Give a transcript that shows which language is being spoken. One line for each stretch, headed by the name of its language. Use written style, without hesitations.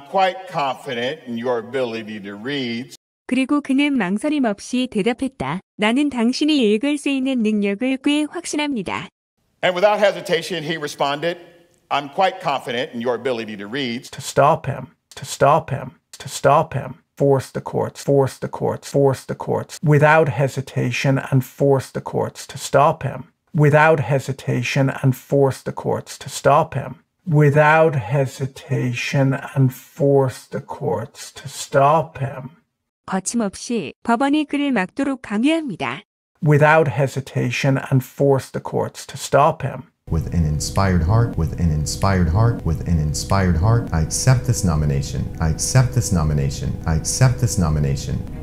English: And without hesitation, he responded, I'm quite confident in your ability to read.
Korean: 그리고 그는 망설임 없이 대답했다. 나는 당신이 읽을 수 있는 능력을 꽤 확신합니다.
English: And without hesitation, he responded, I'm quite confident in your ability to read. To stop him. Force the courts. Without hesitation and force the courts to stop him. Without hesitation and force the courts to stop him.
Korean: 거침없이 법원이 그를 막도록 강요합니다.
English: Without hesitation and force the courts to stop him. With an inspired heart, I accept this nomination.